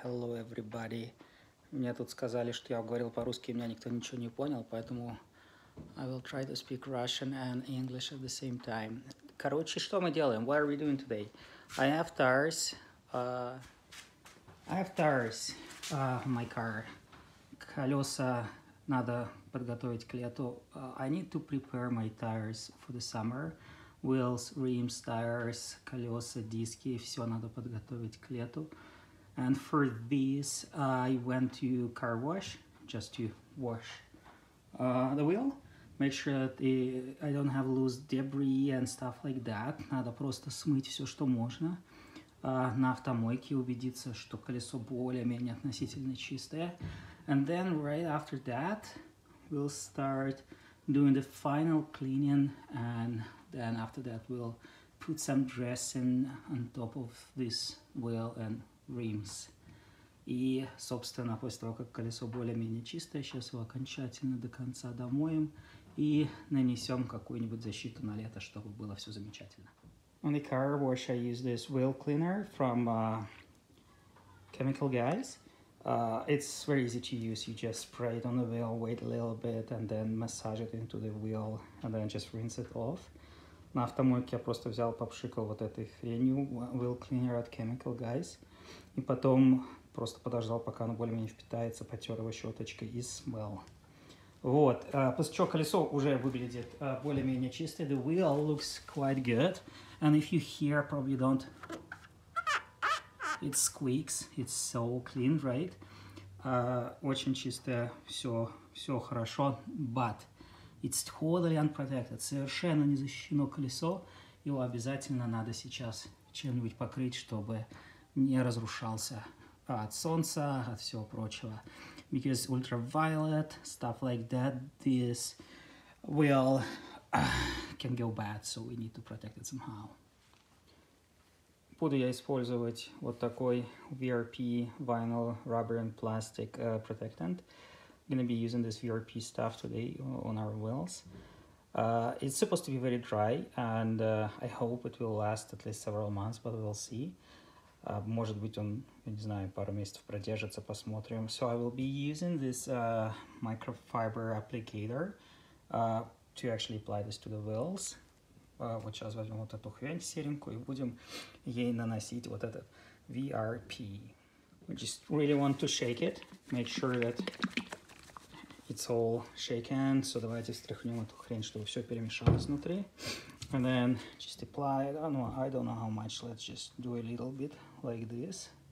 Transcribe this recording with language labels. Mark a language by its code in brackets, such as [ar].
[en] Hello, everybody. [ru] Мне тут сказали, что я говорил по-русски, и меня никто ничего не понял, поэтому [en] I will try to speak Russian and English at the same time. [ru] Короче, что мы делаем? [en] What are we doing today? I have tires. My car. [ru] Колеса надо подготовить к лету. [en] I need to prepare my tires for the summer. Wheels, rims, tires, [ru] колеса, диски, все надо подготовить к лету. [en] And for this, I went to car wash, just to wash the wheel. Make sure that I don't have loose debris and stuff like that. [ru] Надо просто смыть все, что можно. На автомойке убедиться, что колесо более-менее относительно чистое. [en] And then right after that, we'll start doing the final cleaning and... Then after that, we'll put some dressing on top of this wheel and rims. [ru] И, собственно, после того, как колесо более-менее чистое, сейчас его окончательно до конца домоем и нанесем какую-нибудь защиту на лето, чтобы было все замечательно. [en] On the car wash, I use this wheel cleaner from Chemical Guys. It's very easy to use. You just spray it on the wheel, wait a little bit, and then massage it into the wheel, and then just rinse it off. [ru] На автомойке я просто взял, попшикал вот этой хренью, wheel cleaner от Chemical Guys, и потом просто подождал, пока оно более-менее впитается, потер его щеточкой и смыл. Вот, после чего колесо уже выглядит более-менее чистое. [en] The wheel looks quite good, and if you hear, probably don't... It squeaks, it's so clean, right? [ru] Очень чистое, все хорошо, but... [en] It's totally unprotected, [ru] совершенно не защищено колесо. Его обязательно надо сейчас чем-нибудь покрыть, чтобы не разрушался от солнца, от всего прочего. [en] Because ultraviolet, stuff like that, this wheel can go bad, so we need to protect it somehow. [ru] Буду я использовать вот такой VRP vinyl rubber and plastic protectant. [en] Gonna be using this VRP stuff today on our wheels. It's supposed to be very dry, and I hope it will last at least several months, but we'll see. [ru] Может быть, он, я не знаю, пару месяцев продержится, посмотрим. [en] So I will be using this microfiber applicator to actually apply this to the wheels. [ru] Вот сейчас возьмем вот эту хрень серенькую и будем ей наносить вот этот VRP. [en] We just really want to shake it, make sure that... It's all shaken, so [ru] давайте встряхнем эту хрень, чтобы все перемешалось внутри. [en] And then just apply, I don't know how much, let's just do a little bit like this.